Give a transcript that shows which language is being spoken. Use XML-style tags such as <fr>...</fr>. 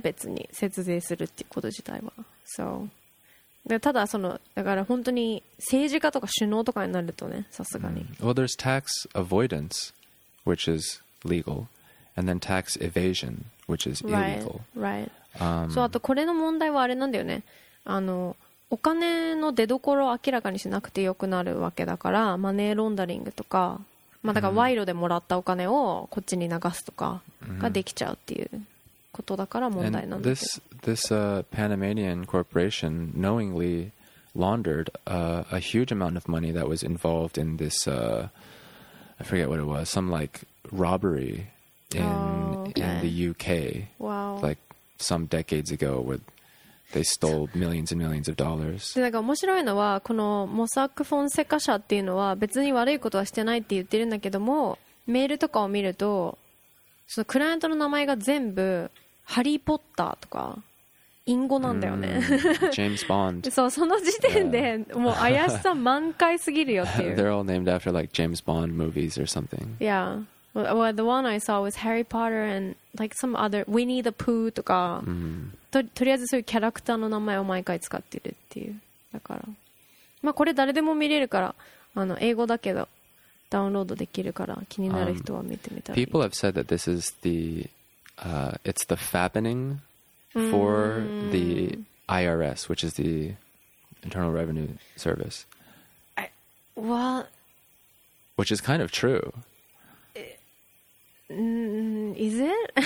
<ja>別に節税するっていうこと自体は。</ja> <en>So,</en> <ja>ただそのだから本当に政治家とか首脳とかになるとね、さすがに。</ja> <en>Well, there's tax avoidance. Which is legal, and then tax evasion, which is illegal. Right. So,</en> <ja>あとこれの問題はあれなんだよね。あのお金の出所を明らかにしなくてよくなるわけだから、マネーロンダリングとか、まあだから賄賂でもらったお金をこっちに流すとかができちゃうっていうことだから問題なんだけど。</ja> <en>And this Panamanian corporation knowingly laundered a huge amount of money that was involved in this. I forget what it was, some like robbery in the UK. Wow. Like some decades ago where they stole millions and millions of dollars.</en> <ja>で、なんか面白いのは、このモサック・フォンセカ社っていうのは別に悪いことはしてないって言ってるんだけども、メールとかを見ると、そのクライアントの名前が全部ハリー・ポッターとか、インゴなんだよね。</ja> <en>James Bond.</en> <ja>そう、その時点でもう怪しさ満開すぎるよっていう。</ja> <en>They're all named after like James Bond movies or something. Yeah. Well, the one I saw was Harry Potter and like some other Winnie the Pooh とか、 mm-hmm.</en> <ja>とりあえずそういうキャラクターの名前を毎回使ってるっていう。だからまあこれ誰でも見れるから、あの英語だけどダウンロードできるから気になる人は見てみたい。</ja> <en>People have said that this is the it's the fappening for the IRS, which is the Internal Revenue Service. Which is kind of true. Is it?</en>